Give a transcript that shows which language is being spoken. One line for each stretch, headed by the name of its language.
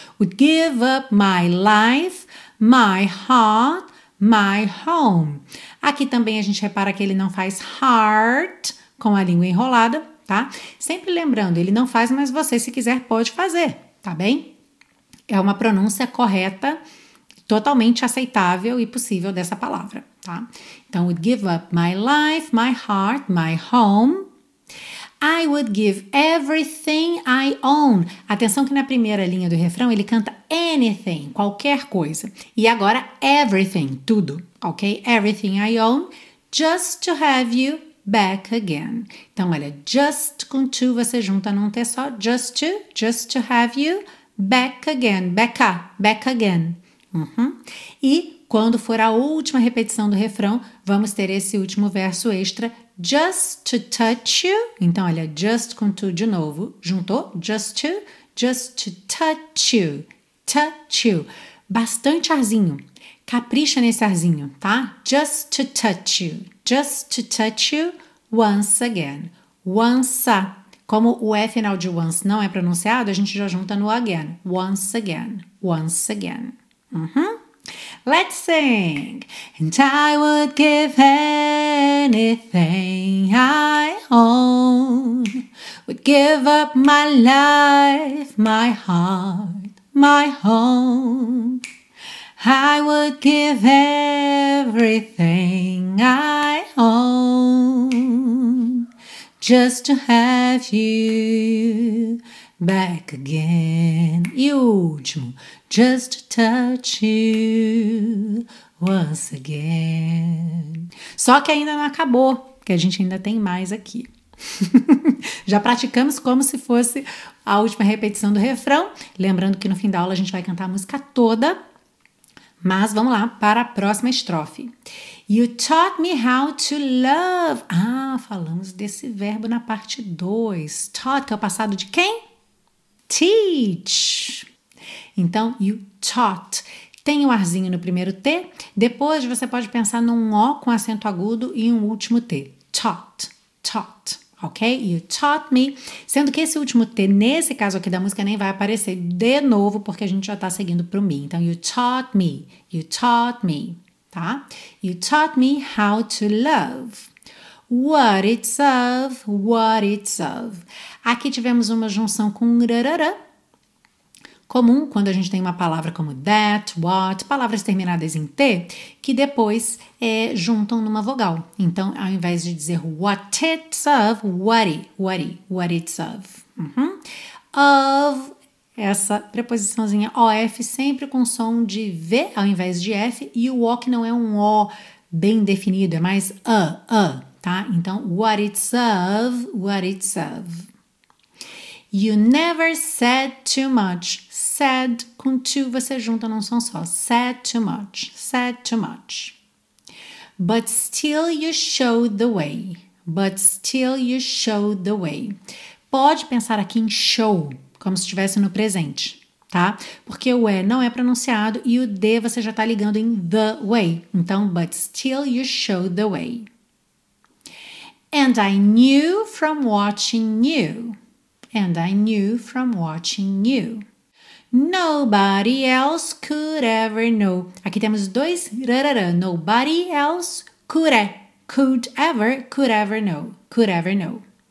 English: Would give up my life, my heart, my home.
Portuguese: Aqui também a gente repara que ele não faz heart com a língua enrolada, tá? Sempre lembrando, ele não faz, mas você, se quiser, pode fazer, tá bem? É uma pronúncia correta, totalmente aceitável e possível dessa palavra, tá?
English: Então, would give up my life, my heart, my home. I would give everything I own.
Portuguese: Atenção que na primeira linha do refrão ele canta anything, qualquer coisa. E agora everything, tudo, ok?
English: Everything I own, just to have you back again.
Portuguese: Então olha, just com to você junta num T só.
English: Just to have you back again. Back again. Uhum.
Portuguese: E quando for a última repetição do refrão, vamos ter esse último verso extra.
English: Just to touch you,
Portuguese: então olha, just com to de novo, juntou,
English: just to touch you, touch you.
Portuguese: Bastante arzinho, capricha nesse arzinho, tá?
English: Just to touch you once again, once,
Portuguese: Como o E final de once não é pronunciado, a gente já junta no again.
English: Once again. Once again. Uhum. Let's sing. And I would give anything I own. Would give up my life, my heart, my home. I would give everything I own just to have you back again.
Portuguese: E o último,
English: just to touch you once again.
Portuguese: Só que ainda não acabou, porque a gente ainda tem mais aqui. Já praticamos como se fosse a última repetição do refrão. Lembrando que no fim da aula a gente vai cantar a música toda. Mas vamos lá para a próxima estrofe.
English: You taught me how to love.
Portuguese: Ah, falamos desse verbo na parte 2. Taught, que é o passado de quem? Teach. Então,
English: you taught.
Portuguese: Tem um arzinho no primeiro T. Depois você pode pensar num O com acento agudo e um último T.
English: Taught. Taught. Ok? You taught me.
Portuguese: Sendo que esse último T, nesse caso aqui da música, nem vai aparecer de novo, porque a gente já tá seguindo pro me.
English: Então, you taught me. You taught me. Tá? You taught me how to love. What it's of. What it's of.
Portuguese: Aqui tivemos uma junção com rarara. Comum quando a gente tem uma palavra como that, what, palavras terminadas em T, que depois juntam numa vogal. Então, ao invés de dizer
English: what it's of, what it's of. Uhum.
Portuguese: Of, essa preposiçãozinha OF, sempre com som de V ao invés de F, e o O que não é um O bem definido, é mais a, tá?
English: Então, what it's of, what it's of. You never said too much.
Portuguese: Said com to, você junta num som só.
English: Said too much. Said too much. But still you showed the way. But still you showed the way.
Portuguese: Pode pensar aqui em show, como se estivesse no presente, tá? Porque o E não é pronunciado e o D você já tá ligando em the way.
English: Então, but still you showed the way. And I knew from watching you. And I knew from watching you. Nobody else could ever know.
Portuguese: Aqui temos dois rarara.
English: Nobody else could ever know. Could ever know.